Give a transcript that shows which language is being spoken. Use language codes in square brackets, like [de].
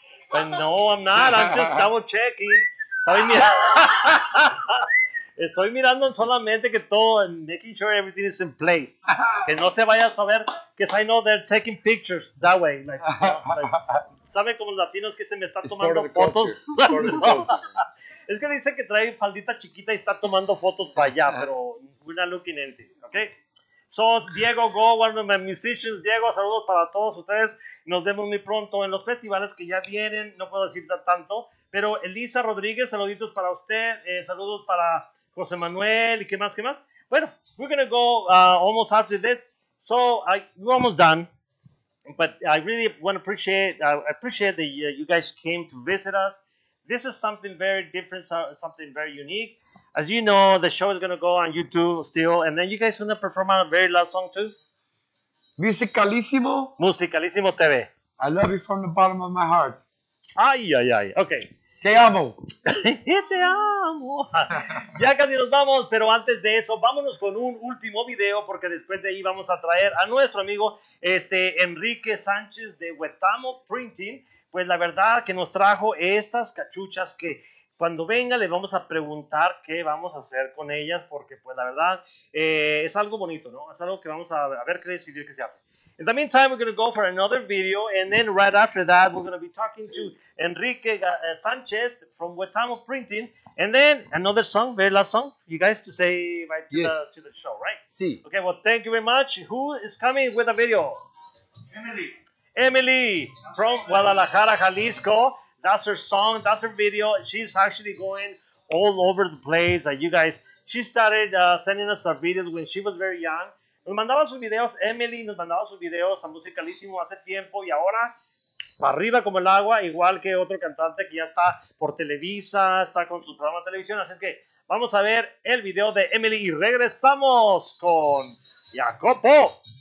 [en] But no, I'm not. I'm just double checking. [es] Estoy mirando solamente que todo, [en] making sure everything is in place. [es] Que no se vaya a saber, [en] because I know they're taking pictures that way. [es] Like, ¿sabe como los latinos que se me está tomando fotos? Es que dice que trae faldita chiquita y está tomando fotos para allá, pero [en] we're not looking into it, okay? So, Diego Go, one of my musicians. Diego, [es] saludos para todos ustedes. Nos vemos muy pronto en los festivales que ya vienen. No puedo decir tanto. Pero Elisa Rodríguez, saluditos para usted. Saludos para José Manuel. ¿Y qué más, qué más? [en] Bueno, we're going to go almost after this. So, we're almost done. But I really want to appreciate that you guys came to visit us. This is something very different, something very unique. As you know, the show is going to go on YouTube still. And then you guys are going to perform our very last song too. [es] Musicalísimo. Musicalísimo TV. [en] I love you from the bottom of my heart. Ay, ay, ay. Okay. [es] Te amo. Te amo. Ya casi nos vamos, pero antes de eso, vámonos con un último video, porque después de ahí vamos a traer a nuestro amigo Enrique Sánchez de Huetamo Printing. Pues la verdad que nos trajo estas cachuchas que cuando venga le vamos a preguntar qué vamos a hacer con ellas, porque pues la verdad es algo bonito, ¿no? Es algo que vamos a ver qué decidir qué se hace. [en] In the meantime, we're going to go for another video, and then right after that, we're going to be talking to Enrique Sánchez from Huetamo Printing, and then another song, very last song, you guys to say right to, yes. To the show, right? [es] Sí. [en] Okay, well, thank you very much. Who is coming with a video? Emily from Guadalajara, Jalisco. That's her song, that's her video. She's actually going all over the place. You guys, she started sending us her videos when she was very young. [es] Nos mandaba sus videos, Emily nos mandaba sus videos a Musicalísimo hace tiempo y ahora, para arriba como el agua, igual que otro cantante que ya está por Televisa, está con su programa de televisión. Así es que vamos a ver el video de Emily y regresamos con Jacopo.